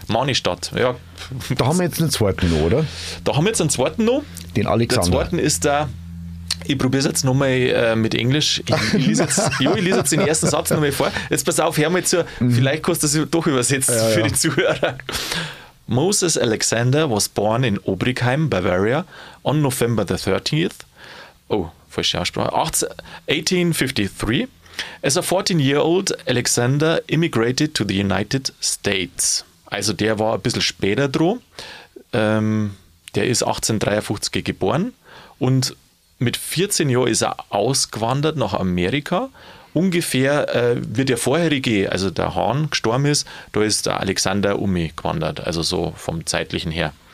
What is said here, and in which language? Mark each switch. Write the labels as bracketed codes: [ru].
[de] Mani-Stadt. Ja. Da haben wir jetzt einen zweiten noch, oder? Da haben wir jetzt einen zweiten noch. Den Alexander. Der zweiten ist der... Ich probiere es jetzt nochmal mit Englisch. Ich lese jetzt den ersten Satz nochmal vor. Jetzt pass auf, hör mal zu. Vielleicht kannst du es doch übersetzen für die Zuhörer. [en] Moses Alexander was born in Obrigheim, Bavaria, on November the 13th. [de] Oh, falsche Aussprache. 1853. [en] As a 14-year-old, Alexander immigrated to the United States. [de] Also der war ein bisschen später dran. Der ist 1853 geboren und mit 14 Jahren ist er ausgewandert nach Amerika. Ungefähr wird der vorherige, also der Hahn, gestorben ist, da ist der Alexander umgewandert, also so vom Zeitlichen her.